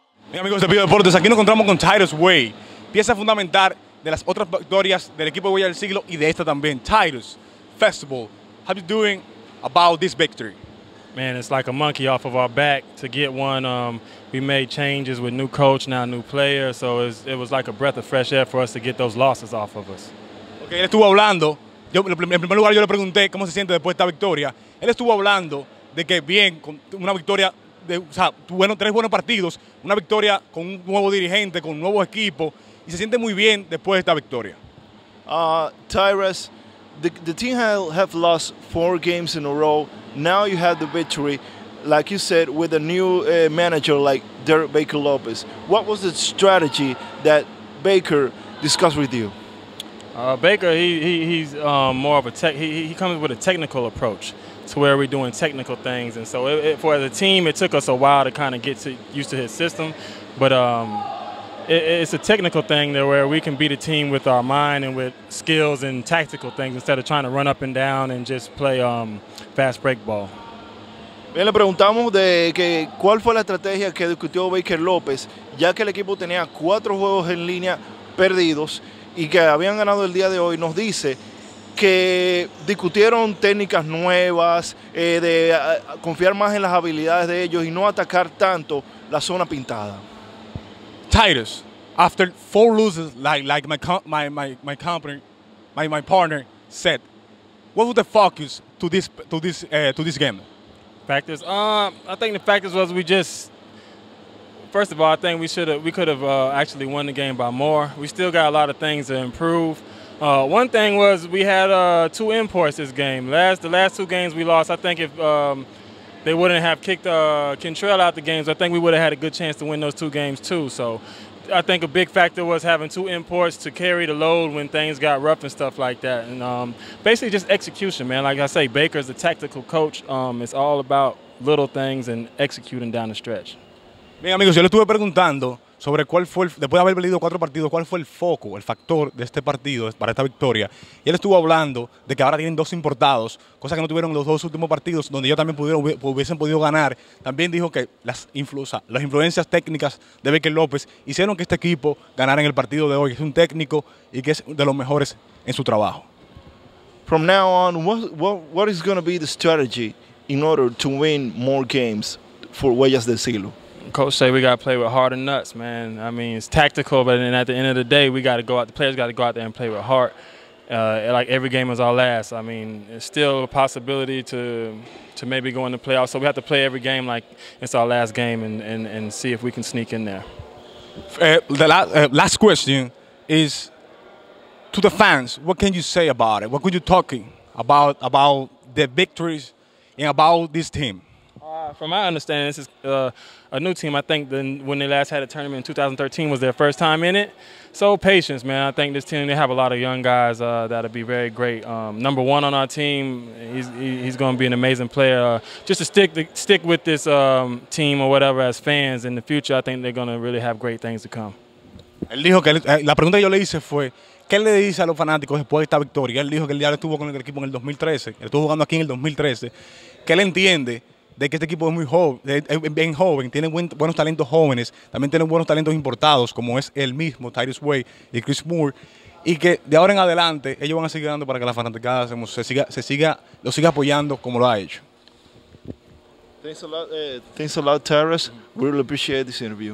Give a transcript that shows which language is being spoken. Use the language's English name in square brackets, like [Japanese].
[Spanish] Bien, amigos de DEPORTES, aquí nos encontramos con Tyras Way, pieza fundamental de las otras victorias del equipo de Huellas del Siglo y de esta también. [English] Tyras, Festival, how you doing about this victory? Man, it's like a monkey off of our back to get one. We made changes with new coach, now new player, so it was like a breath of fresh air for us to get those losses off of us. [Spanish] Okay, él estuvo hablando. Yo, en primer lugar, yo le pregunté cómo se siente después de esta victoria. Él estuvo hablando de que bien, con una victoria, de, o sea, bueno, tres buenos partidos, una victoria con un nuevo dirigente, con un nuevo equipo, y se siente muy bien después de esta victoria. [English] Tyras, the team have lost 4 games in a row. Now you have the victory, like you said, with a new manager like Derek Baker Lopez. What was the strategy that Baker discussed with you? Baker, he's more of a tech. He comes with a technical approach to where we're doing technical things, and so as a team, it took us a while to kind of get used to his system. But it's a technical thing there where we can beat a team with our mind and with skills and tactical things instead of trying to run up and down and just play fast break ball. [Spanish] Bien, le preguntamos de que cuál fue la estrategia que discutió Baker López, ya que el equipo tenía 4 juegos en línea perdidos. Y que habían ganado el día de hoy, nos dice que discutieron técnicas nuevas, confiar más en las habilidades de ellos y no atacar tanto la zona pintada. [English] Tyras, after 4 losses, like my partner said, what was the focus to this game? Factors. I think the factors was we just. First of all, I think we could have actually won the game by more. We still got a lot of things to improve. One thing was we had 2 imports this game. The last 2 games we lost, I think if they wouldn't have kicked Kentrell out the games, I think we would have had a good chance to win those 2 games too. So I think a big factor was having 2 imports to carry the load when things got rough and stuff like that. And basically just execution, man. Like I say, Baker's a tactical coach. It's all about little things and executing down the stretch. [Spanish] Bien, amigos, yo le estuve preguntando sobre cuál fue, después de haber perdido 4 partidos, cuál fue el foco, el factor de este partido para esta victoria. Y él estuvo hablando de que ahora tienen 2 importados, cosa que no tuvieron en los 2 últimos partidos, donde ellos también hubiesen podido ganar. También dijo que las influencias técnicas de Baker López hicieron que este equipo ganara en el partido de hoy. Es un técnico y que es de los mejores en su trabajo. [English] From now on, what is going to be the strategy in order to win more games for Huellas del Siglo? Coach say we got to play with heart and nuts, man. I mean, it's tactical, but then at the end of the day, the players got to go out there and play with heart. Like every game is our last. I mean, it's still a possibility to maybe go in the playoffs. So we have to play every game like it's our last game and see if we can sneak in there. The last question is to the fans. What can you say about it? What could you talk about the victories and about this team? From my understanding, this is a new team. I think when they last had a tournament in 2013 was their first time in it. So patience, man. I think this team, they have a lot of young guys that'll be very great. Number one on our team, he's going to be an amazing player. Just to stick with this team or whatever as fans in the future, I think they're going to really have great things to come. [Spanish] Él dijo que la pregunta que yo le hice fue, ¿qué le dice a los fanáticos después de esta victoria? Él dijo que él ya estuvo con el equipo en el 2013. Él estuvo jugando aquí en el 2013. ¿Qué le entiende? De que este equipo es muy joven, bien joven, tiene buenos talentos jóvenes, también tiene buenos talentos importados, como es el mismo Tyras Way y Chris Moore, y que de ahora en adelante ellos van a seguir dando para que la fanaticada lo siga apoyando como lo ha hecho. [English] Thanks a lot, Tyras. We really appreciate this interview.